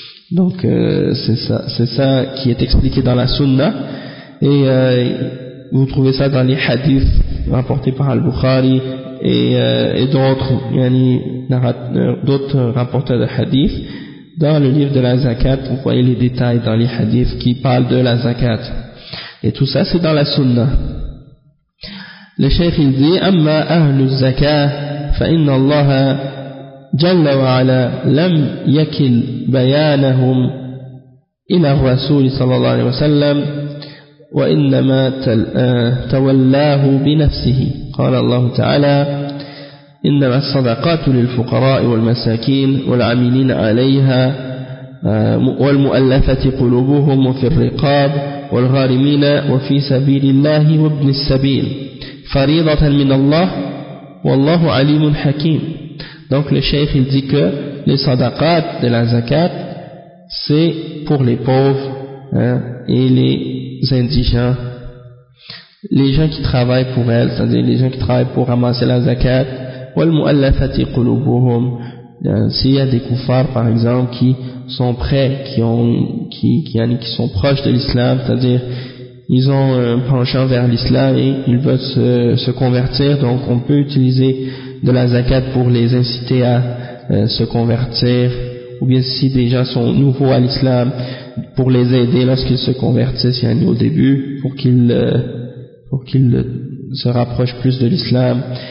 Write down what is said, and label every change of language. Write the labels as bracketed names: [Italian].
[French] Donc c'est ça qui est expliqué dans la sunna, et vous trouvez ça dans les hadiths rapportés par Al-Bukhari et d'autres, yani, d'autres rapporteurs de hadiths. Dans le livre de la zakat, vous voyez les détails dans les hadiths qui parlent de la zakat, et tout ça c'est dans la sunna. Le cheikh il dit [Arabic] amma ahlu zakat fa inna Allah جل وعلا لم يكل بيانهم إلى الرسول صلى الله عليه وسلم وإنما تولاه بنفسه. قال الله تعالى إنما الصدقات للفقراء والمساكين والعاملين عليها والمؤلفة قلوبهم وفي الرقاب والغارمين وفي سبيل الله وابن السبيل فريضة من الله والله عليم حكيم. [French] Donc le cheikh il dit que les sadaqat de la zakat c'est pour les pauvres, hein, et les indigents, les gens qui travaillent pour elles, c'est-à-dire les gens qui travaillent pour ramasser la zakat. [Arabic] Wal mu'allafati qulubuhum, [French] s'il y a des kuffars par exemple qui sont prêts, qui sont proches de l'islam, c'est-à-dire ils ont un penchant vers l'islam et ils veulent se convertir, donc on peut utiliser de la zakat pour les inciter à se convertir, ou bien si des gens sont nouveaux à l'islam, pour les aider lorsqu'ils se convertissent, yani, au début, pour qu'ils se rapprochent plus de l'islam.